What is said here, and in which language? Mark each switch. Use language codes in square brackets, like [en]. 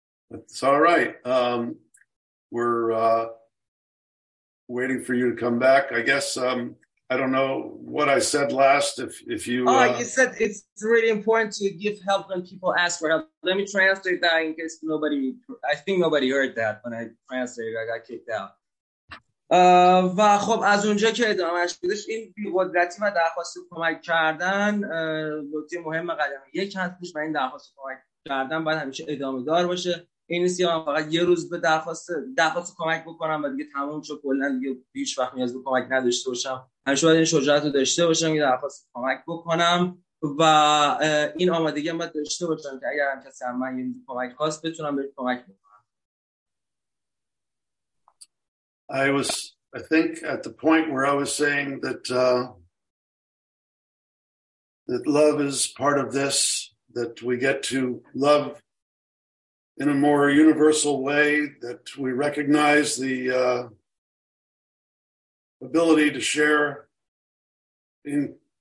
[en] It's all right. We're waiting for you to come back. I guess I don't know what I said last. If you you said it's really important to give help when people ask for help. Let me translate that in case nobody. I think nobody heard that when I translated. I got kicked out. [fa] و خب از اونجا که ادامهش بودش، این بی‌قدرتی و درخواست کمک کردن نکته مهم قدم یک هستش، و این درخواست کمک کردن باید همیشه ادامه دار باشه. این نیست که من فقط یه روز به درخواست کمک بکنم و دیگه تموم شد، کلا دیگه هیچ وقت نیاز به کمک نداشته باشم. همیشه باید این شجاعت رو داشته باشم که درخواست کمک بکنم، و این آمادگی هم باید داشته باشم که اگر هم کسی از من یه کمک خواست بتونم بهش کمک بکنم. [en] I think at the point where I was saying that that love is part of this, that we get to love in a more universal way, that we recognize the ability to share in